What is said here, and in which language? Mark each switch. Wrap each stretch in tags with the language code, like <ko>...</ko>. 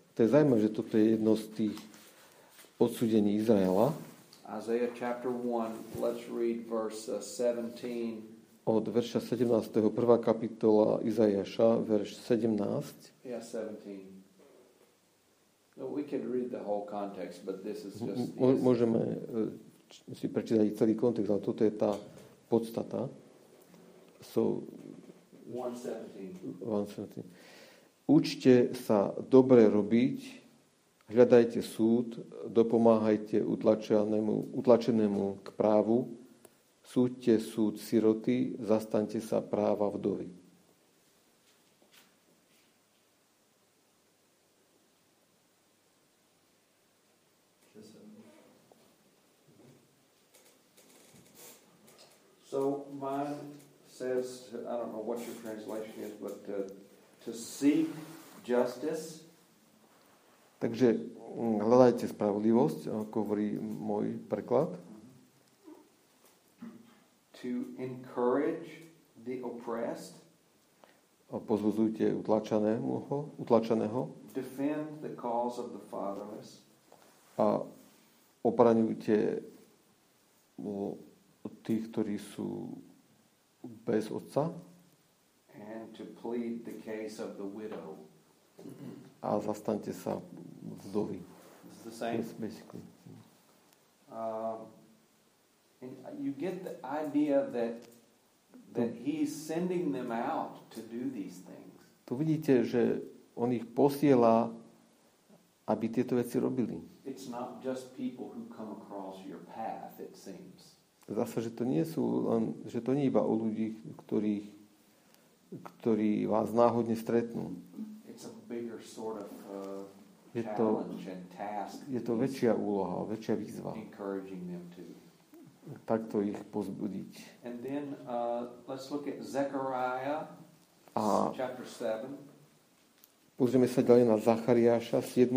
<sk>To je zaujímavé, že toto je jedno z tých odsúdení Izraela.</sk> <en>Isaiah chapter 1, let's read verse 17.</en> <sk>Od verša 17. prvá kapitola Izaiáša, verš 17.</sk> <en>Yeah, 17. No, we can read the whole context, but this is just</en> <sk>Môžeme si prečítať celý kontext, ale toto je tá podstata.</sk> <en>So 1:17.</en> <sk>Učte sa dobre robiť, hľadajte súd, dopomáhajte utlačenému k právu, súďte súd siroty, zastaňte sa práva vdovy.</sk> <en>So mine says, I don't know what your translation is, but to seek justice.</en> <sk>Takže hľadajte spravodlivosť, ako hovorí môj preklad.</sk> <en>To encourage the oppressed.</en> <sk>Pozbudzujte utlačeného.</sk> <en>Defend the cause of the fatherless.</en> <sk>A opraňujte tých, ktorí sú bez otca.</sk> <en>And to plead the case of the widow.</en> <sk>A zastaňte sa vdovy.</sk> <en>It's the same. Yes, basically. And you get the idea that he's sending them out to do these things.</en> <sk>Tu vidíte, že on ich posiela, aby tieto veci robili.</sk> <en>It's not just people who come across your path, it seems.</en> <sk>Zase, že to nie sú len, že to nie iba o ľudí, ktorí vás náhodne stretnú.</sk> <en>It's a bigger sort of challenge and task.</en> <sk>Je to väčšia úloha, väčšia výzva.</sk> <en>Encouraging them to.</en> <sk>Takto ich pozbudiť.</sk> <en>And then let's look at Zechariah chapter 7.</en> <sk>Pozrieme sa ďalej na Zachariáša 7.</sk>